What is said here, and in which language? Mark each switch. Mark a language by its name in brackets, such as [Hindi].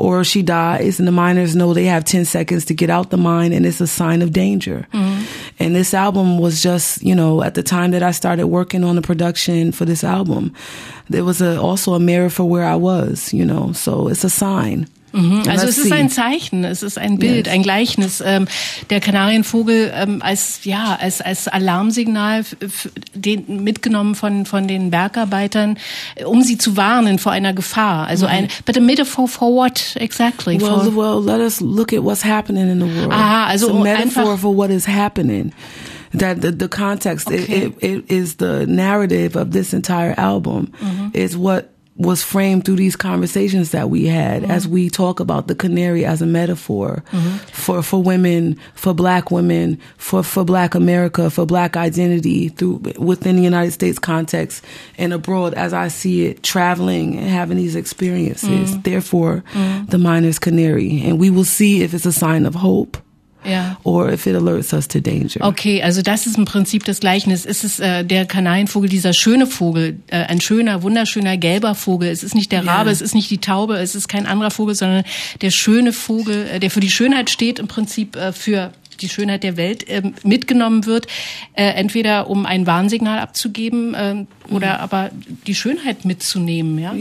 [English] or she dies and the miners know they have 10 seconds to get out the mine, and it's a sign of danger. Mm-hmm. And this album was just, you know, at the time that I started working on the production for this album, there was also a mirror for where I was, you know, so it's a sign. Mm-hmm. [German] Also es ist ein Zeichen, es ist ein Bild, yes. Ein Gleichnis. Der Kanarienvogel als Alarmsignal mitgenommen von den Bergarbeitern, um sie zu warnen vor einer Gefahr. Also ein, [English] mm-hmm. But a metaphor for what exactly? Well, let us look at what's happening in the world. [German] Aha, also [English] it's a metaphor for what is happening. That the context, okay. it is the narrative of this entire album, mm-hmm. is what was framed through these conversations that we had, mm-hmm. as we talk about the canary as a metaphor, mm-hmm. for women, for black women, for black America, for black identity through within the United States context and abroad, as I see it, traveling and having these experiences. Mm-hmm. Therefore, mm-hmm. the miner's canary. And we will see if it's a sign of hope. Yeah. Or if it alerts us to danger. [German] Okay, also das ist im Prinzip das Gleichnis. Es ist der Kanarienvogel, dieser schöne Vogel, ein schöner, wunderschöner, gelber Vogel. Es ist nicht der Rabe, yeah. Es ist nicht die Taube, es ist kein anderer Vogel, sondern der schöne Vogel, der für die Schönheit steht, im Prinzip für die Schönheit der Welt, mitgenommen wird, entweder um ein Warnsignal abzugeben, oder aber die Schönheit mitzunehmen, ja,